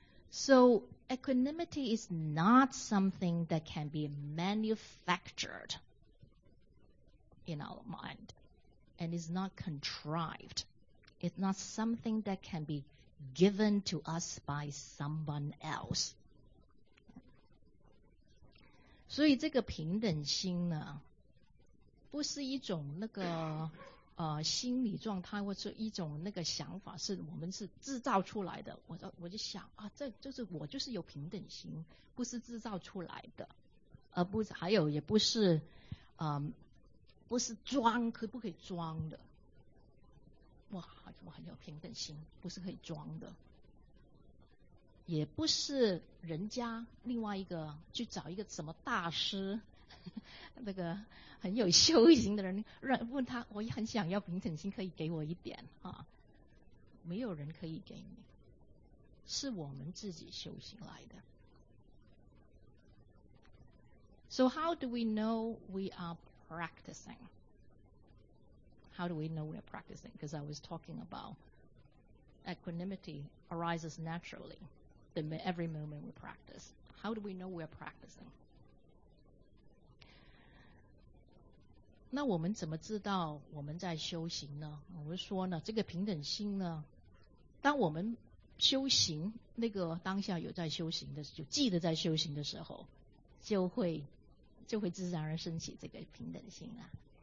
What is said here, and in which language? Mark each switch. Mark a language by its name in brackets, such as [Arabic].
[English] So equanimity is not something that can be manufactured in our mind and is not contrived. It's not something that can beGiven to us by someone else. [Chinese] 所以这个平等心呢，不是一种那个心理状态或是一种那个想法是我们是制造出来的，我就想啊，这就是我就是有平等心，不是制造出来的，而不是还有也不是不是装，可不可以装的，哇我很有平等心，不是可以装的，也不是人家另外一个去找一个什么大师那个很有修行的人问他，我也很想要平等心，可以给我一点啊？没有人可以给你，是我们自己修行来的。 [English] So how do we know we are practicing? How do we know we are practicing? Because I was talking about equanimity arises naturally the every moment we practice. How do we know we are practicing? [Chinese] 那我们怎么知道我们在修行呢？我们说呢，这个平等心呢，当我们修行那个当下有在修行的时候，就记得在修行的时候，就会自然而升起这个平等心啊。